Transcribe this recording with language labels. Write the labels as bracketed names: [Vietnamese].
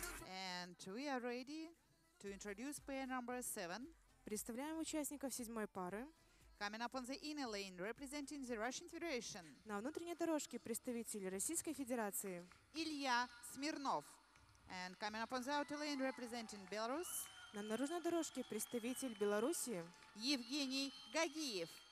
[English] And we are ready to introduce pair number 7. [Russian] Представляем участников седьмой пары. [English] Coming up on the inner lane, representing the Russian Federation. [Russian] На внутренней дорожке представитель Российской Федерации. [English] Илья Смирнов. And coming up on the outer lane, representing Belarus. [Russian] На наружной дорожке представитель Беларуси. Евгений Гагиев.